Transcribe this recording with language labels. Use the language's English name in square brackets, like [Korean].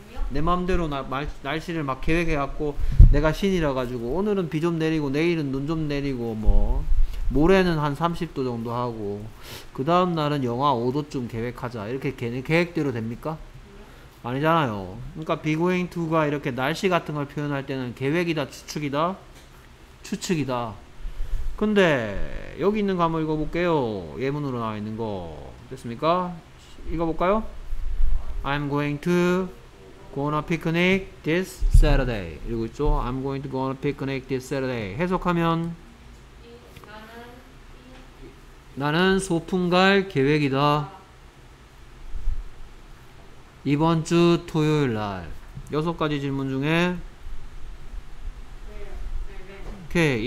[Korean] 내 마음대로 날씨를 막 계획해갖고 내가 신이라 가지고 오늘은 비 좀 내리고 내일은 눈 좀 내리고 뭐 모레는 한 30도 정도 하고 그 다음 날은 영하 5도쯤 계획하자 이렇게 계획대로 됩니까? 아니잖아요. 그러니까 be going to가 이렇게 날씨 같은 걸 표현할 때는 계획이다 추측이다? 추측이다. 근데 여기 있는 거 한번 읽어볼게요. 예문으로 나와 있는 거 됐습니까? 읽어볼까요? [English] I'm going to go on a picnic this Saturday. [Korean] 이러고 있죠? [English] I'm going to go on a picnic this Saturday. [Korean] 해석하면 나는 소풍 갈 계획이다. 이번 주 토요일 날. 여섯 가지 질문 중에 오케이.